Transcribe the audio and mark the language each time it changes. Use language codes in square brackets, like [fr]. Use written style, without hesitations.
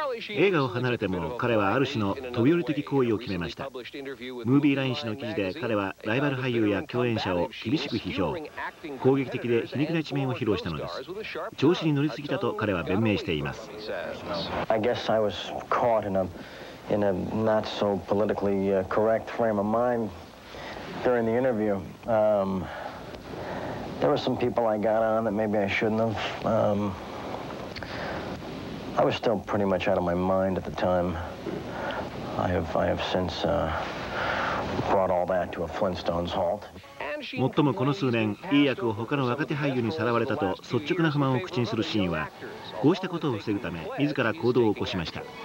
[ja] 映画を離れても彼はある種の飛び降り的行為を決めました。ムービーライン誌の記事で彼はライバル俳優や共演者を厳しく批評、攻撃的で皮肉な一面を披露したのです。調子に乗りすぎたと彼は弁明しています。 [en] I guess I was caught in a not so politically correct frame of mind during the interview. There were some people I got on that maybe I shouldn't have. I was still pretty much out of my mind at the time. I have since brought all that to a Flintstones halt. [ja] もっともこの数年、いい役を他の若手俳優にさらわれたと率直な不満を口にするシーンは、こうしたことを防ぐため自ら行動を起こしました。